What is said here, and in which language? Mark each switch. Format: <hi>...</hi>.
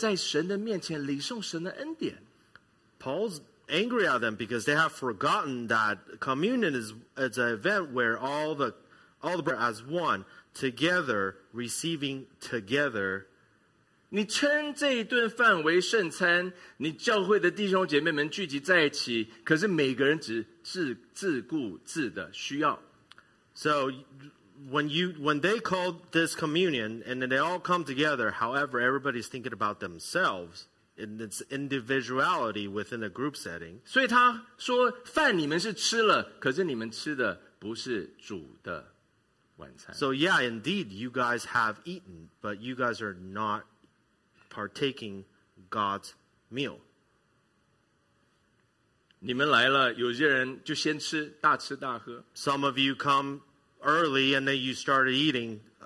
<zh>他说你们忘记了圣餐的设立是为了信徒们要有彼此的相爱，彼此的关心，合一的在神的面前领受神的恩典。</zh> <en>Paul's angry at them because they have forgotten that communion is an event where all the brethren as one together receiving together.</en> <zh>你称这一顿饭为圣餐，你教会的弟兄姐妹们聚集在一起，可是每个人只自顾自的需要。</zh> <en>So when they call this communion and then they all come together, however, everybody's thinking about themselves in its individuality within a group setting.</en> <zh>所以他说饭你们是吃了，可是你们吃的不是主的晚餐。</zh> <en>So yeah, indeed, you guys have eaten, but you guys are not partaking God's meal.</en> <zh>你们来了，有些人就先吃，大吃大喝。</zh> <en>Some of you come early and then you started eating.</en>